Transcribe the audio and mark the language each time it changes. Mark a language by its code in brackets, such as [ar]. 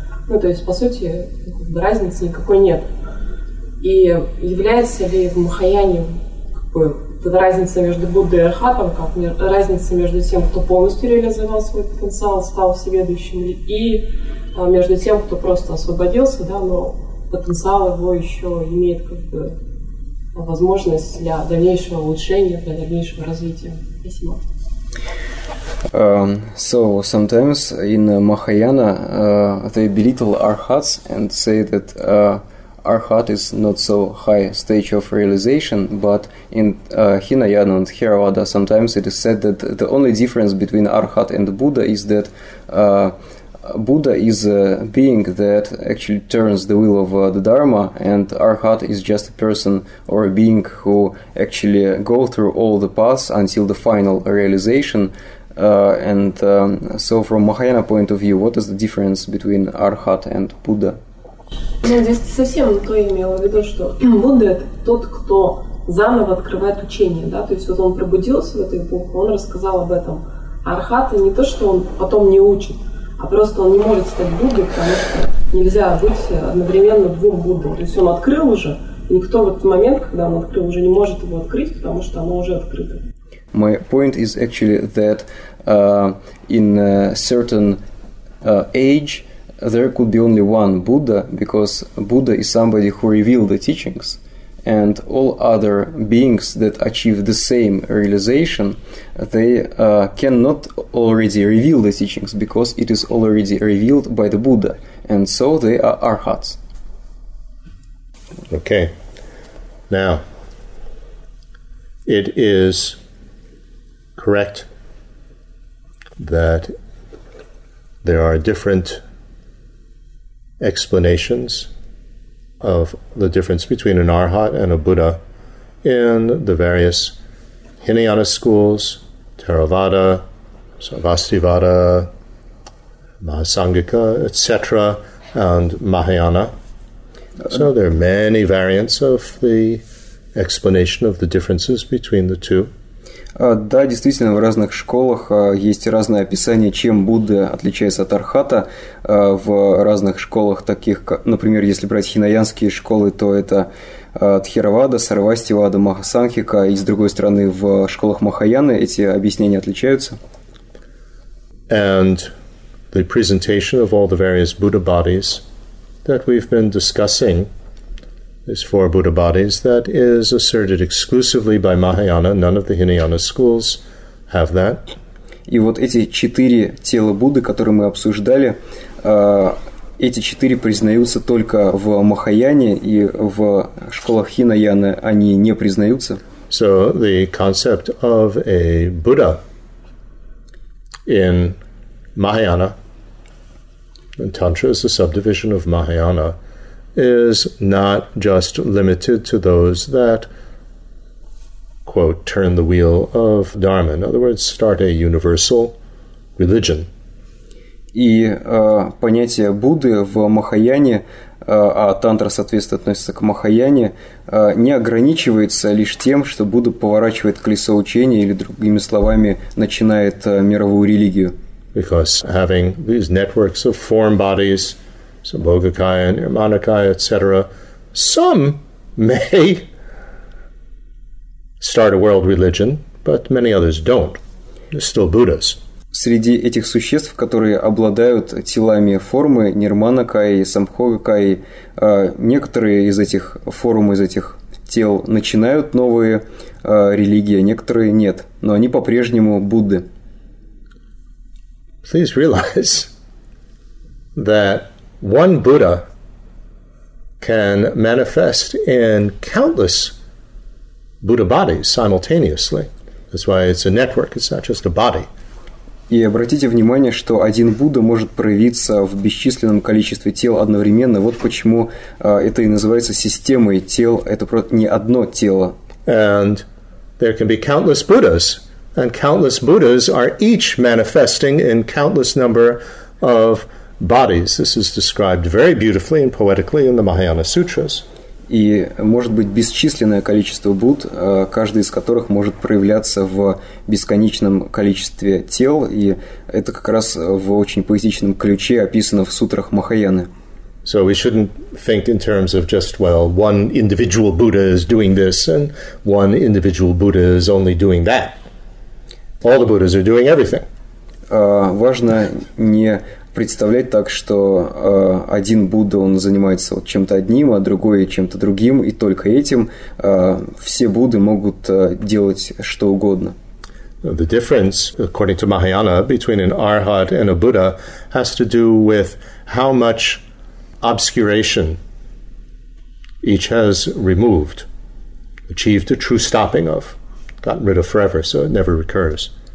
[ru] Ну, то есть, по сути, разницы никакой нет. И является ли в Махаяне разница между Буддой и архатом, как разница между тем, кто полностью реализовал свой потенциал, стал всеведущим, и между тем, кто просто освободился, да, но потенциал его еще имеет как бы возможность для дальнейшего улучшения, для дальнейшего развития. Спасибо. [en] So sometimes in Mahayana they belittle arhats and say that arhat is not so high stage of realization, but in Hinayana and Theravada sometimes it is said that the only difference between arhat and Buddha is that Buddha is a being that actually turns the wheel of the Dharma, and arhat is just a person or a being who actually go through all the paths until the final realization. So from Mahayana point of view, what is the difference between arhat and Buddha? [ru] Здесь не совсем то имела в виду, что Будда — это тот, кто заново открывает учение, да, то есть вот он пробудился в эту эпоху, он рассказал об этом. Архат — это не то, что он потом не учит, а просто он не может стать Буддой, потому что нельзя быть одновременно двум Буддой. То есть он открыл уже, и никто в этот момент, когда он открыл, уже не может его открыть, потому что оно уже открыто. [en] My point is actually that in a certain age there could be only one Buddha, because Buddha is somebody who revealed the teachings, and all other beings that achieve the same realization, they cannot already reveal the teachings, because it is already revealed by the Buddha, and so they are arhats. Okay. Now, it is correct that there are different explanations of the difference between an arhat and a Buddha in the various Hinayana schools, Theravada, Sarvastivada, Mahasangika, etc., and Mahayana. So there are many variants of the explanation of the differences between the two. [ru] Да, действительно, в разных школах есть разные описания, чем Будда отличается от архата. В разных школах таких, как, например, если брать хинаянские школы, то это Тхеравада, Сарвастивада, Махасанхика. И, с другой стороны, в школах Махаяны эти объяснения отличаются. [en] And the presentation of all the various Buddha bodies that we've been discussing, these four Buddha bodies, that is asserted exclusively by Mahayana. None of the Hinayana schools have that. [ru] И вот эти четыре тела Будды, которые мы обсуждали, эти четыре признаются только в Махаяне, и в школах Хинаяны они не признаются. [en] So the concept of a Buddha in Mahayana, in Tantra is a subdivision of Mahayana, is not just limited to those that, quote, turn the wheel of Dharma. In other words, start a universal religion. [ru] И понятие Будды в Махаяне, а тантра, соответственно, относится к Махаяне, не ограничивается лишь тем, что Будда поворачивает колесо учения или, другими словами, начинает мировую религию. [en] Because having these networks of form bodies, so Bhogakaya, Nirmanakaya, etc., some may start a world religion, but many others don't. They're still Buddhas. [ru] Среди этих существ, которые обладают телами формы Нирманакаи, Самхогакаи, некоторые из этих форм, из этих тел начинают новые религии, а некоторые нет, но они по-прежнему Будды. [en] Please realize that one Buddha can manifest in countless Buddha bodies simultaneously. That's why it's a network, it's not just a body. [ru] И обратите внимание, что один Будда может проявиться в бесчисленном количестве тел одновременно. Вот почему это и называется системой тел. Это просто не одно тело. [en] And there can be countless Buddhas. And countless Buddhas are each manifesting in countless number of bodies. This is described very beautifully and poetically in the Mahayana Sutras. [ru] И может быть бесчисленное количество Будд, каждый из которых может проявляться в бесконечном количестве тел, и это как раз в очень поэтичном ключе описано в сутрах Махаяны. [en] So we shouldn't think in terms of just, well, one individual Buddha is doing this, and one individual Buddha is only doing that. All the Buddhas are doing everything. [ru] Важно не представлять так, что один Будда, он занимается вот чем-то одним, а другой чем-то другим, и только этим все Будды могут делать что угодно. [en] The difference, according to Mahayana, between an arhat and a Buddha has to do with how much obscuration each has removed, achieved a true stopping of, gotten rid of forever, so it never recurs.